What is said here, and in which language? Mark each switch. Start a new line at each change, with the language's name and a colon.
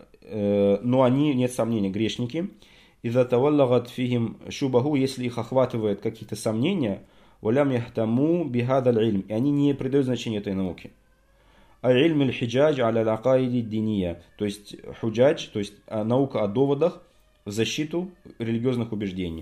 Russian: Но они, нет сомнения, грешники.
Arabic: إذا تولغت فيهم شبهه,
Russian: если их охватывают какие-то сомнения,
Arabic: ولم يهتموا بهذا العلم.
Russian: И они не придают значения этой науке.
Arabic: علم الحجاج على العقائد الدينية.
Russian: То есть худжадж, то есть наука о доводах в защиту религиозных убеждений.